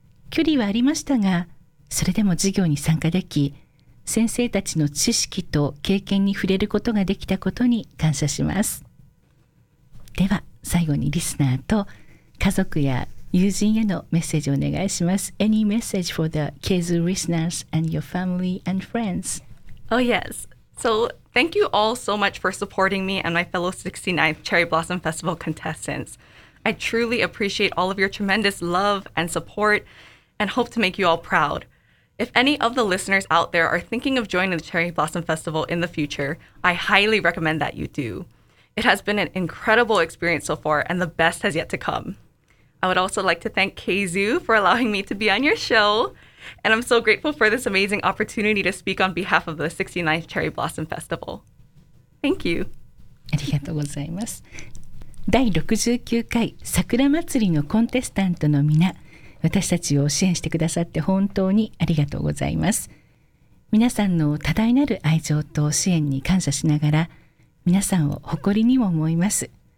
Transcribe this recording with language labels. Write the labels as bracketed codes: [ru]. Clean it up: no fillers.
[ja] 距離はありましたが、それでも授業に参加でき、先生たちの知識と経験に触れることができたことに感謝します。では最後にリスナーと家族や友人へのメッセージをお願いします。 [en] Any message for the KZU listeners and your family and friends? Oh yes, so thank you all so much for supporting me and my fellow 69th Cherry Blossom Festival contestants. I truly appreciate all of your tremendous love and support and hope to make you all proud. If any of the listeners out there are thinking of joining the Cherry Blossom Festival in the future, I highly recommend that you do. It has been an incredible experience so far, and the best has yet to come. I would also like to thank KZU for allowing me to be on your show, and I'm so grateful for this amazing opportunity to speak on behalf of the 69th Cherry Blossom Festival. Thank you. [ja] ありがとうございます。第69回桜祭りのコンテスタントの皆、私たちを支援してくださって本当にありがとうございます。皆さんの多大なる愛情と支援に感謝しながら、皆さんを誇りにも思います。